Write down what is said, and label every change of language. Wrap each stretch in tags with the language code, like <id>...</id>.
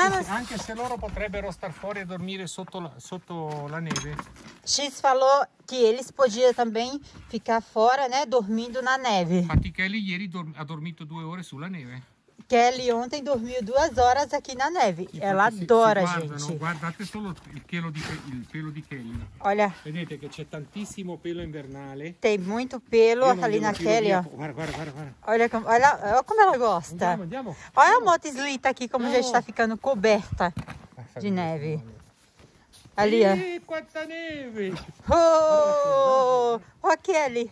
<it>Anche se loro potrebbero star fuori a dormire sotto la neve.</it> <pt>X falou que eles podiam também ficar fora, né, dormindo na neve.</pt> <it>Infatti Kelly ieri ha dormito 2 ore sulla neve.</it> <pt>Kelly ontem dormiu 2 horas aqui na neve. E ela adora,</pt> <it>se guardano,</it> <pt>gente.</pt> <it>Guardate solo il pelo di Kelly.</it> <pt>Olha.</pt> <it>Vedete che c'è tantissimo pelo invernale.</it> <pt>Tem muito pelo ali na Kelly, ó.</pt> <it>Guarda.</it> <pt>Olha como ela gosta.</pt> <it>Andiamo.</it> <pt>Olha a moto slitta aqui, como já está ficando coberta de neve. Ali, ó. Ih, quanta neve! Oh! Ó, Kelly.</pt>